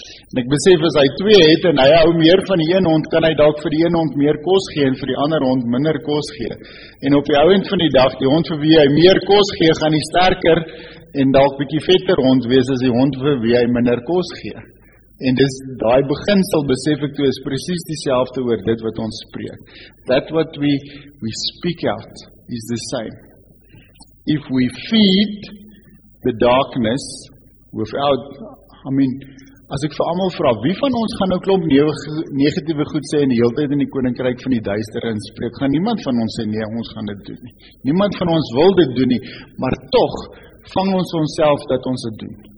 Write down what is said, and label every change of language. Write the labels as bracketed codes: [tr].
[af] En ek besef, as hy twee het en hy hou meer van die een hond, kan hy dalk vir die een hond meer kos gee en vir die ander hond minder kos gee. En op die ou end van die dag, die hond vir wie hy meer kos gee, gaan hy sterker en dalk bietjie vetter hond wees as die hond vir wie hy minder kos gee. En dis daai beginsel, besef ek toe, is presies dieselfde oor dit wat ons spreek. [en] That what we speak out is the same. If we feed the darkness without, I mean, [af] as ek vir almal vra, wie van ons gaan nou klomp negatiewe goed sê en die hele tyd in die koninkryk van die duister inspreek, gaan niemand van ons sê, nee, ons gaan dit doen nie. Niemand van ons wil dit doen nie, maar toch vang ons onself dat ons dit doen.